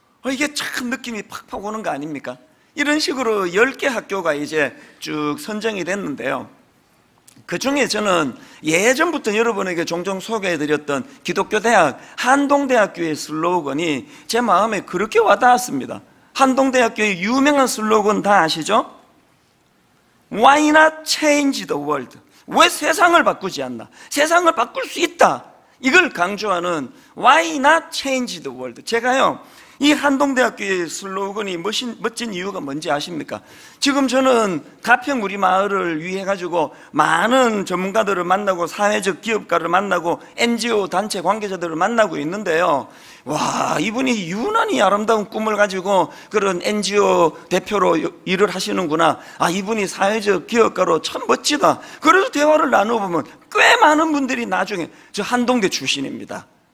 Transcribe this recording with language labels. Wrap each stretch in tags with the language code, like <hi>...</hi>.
<ko>이게 참 느낌이 팍팍 오는 거 아닙니까? 이런 식으로 10개 학교가 이제 쭉 선정이 됐는데요, 그 중에 저는 예전부터 여러분에게 종종 소개해드렸던 기독교 대학 한동대학교의 슬로건이 제 마음에 그렇게 와닿았습니다. 한동대학교의 유명한 슬로건 다 아시죠?</ko> <en>Why not change the world?</en> <ko>왜 세상을 바꾸지 않나? 세상을 바꿀 수 있다! 이걸 강조하는</ko> <en>Why not change the world?</en> <ko>제가요, 이 한동대학교의 슬로건이 멋진 이유가 뭔지 아십니까? 지금 저는 가평 우리 마을을 위해 가지고 많은 전문가들을 만나고 사회적 기업가를 만나고 NGO 단체 관계자들을 만나고 있는데요, 와 이분이 유난히 아름다운 꿈을 가지고 그런 NGO 대표로 일을 하시는구나, 아 이분이 사회적 기업가로 참 멋지다, 그래서 대화를 나눠보면 꽤 많은 분들이 나중에, 저 한동대 출신입니다,</ko>